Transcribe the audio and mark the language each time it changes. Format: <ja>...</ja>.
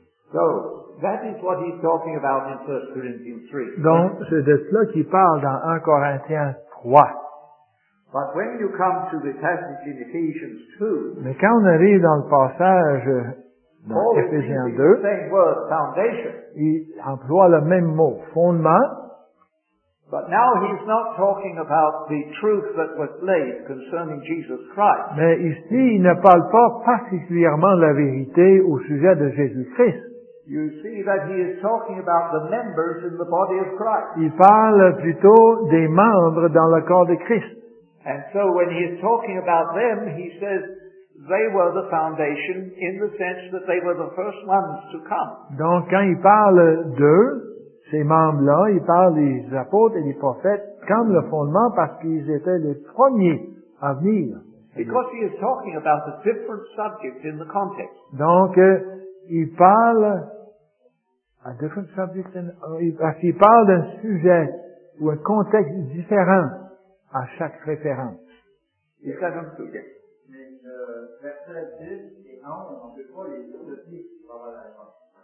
<en>So, that is what he's talking about in 1 Corinthians 3.</en> <fr>Donc, c'est de cela qu'il parle dans 1 Corinthiens 3.</fr> <en>But when you come to the passage in Ephesians 2,</en> <fr>mais quand on arrive dans le passage dans Ephésiens 2,</fr> <en>same word, foundation,</en> <fr>il emploie le même mot, fondement.</fr> <en>But now he's not talking about the truth that was laid concerning Jesus Christ.</en> <fr>Mais ici, il ne parle pas particulièrement de la vérité au sujet de Jésus-Christ.</fr> <en>You see that he is talking about the members in the body of Christ.</en> <fr>Il parle plutôt des membres dans le corps de Christ.</fr> <en>And so when he is talking about them, he says they were the foundation in the sense that they were the first ones to come.</en> <fr>Donc quand il parle d'eux, ces membres-là, il parle des apôtres et des prophètes comme le fondement parce qu'ils étaient les premiers à venir.</fr> <en>Because he is talking about a different subject in the context.</en> <fr>Donc, il parle</fr> <en>a different subject in,</en> <fr>parce qu'il parle d'un sujet ou un contexte différent à chaque référence.</fr> <en>Is that understood?</en> <fr>Mais verset 10 et 11, on ne peut pas les identifier par la réponse.</fr>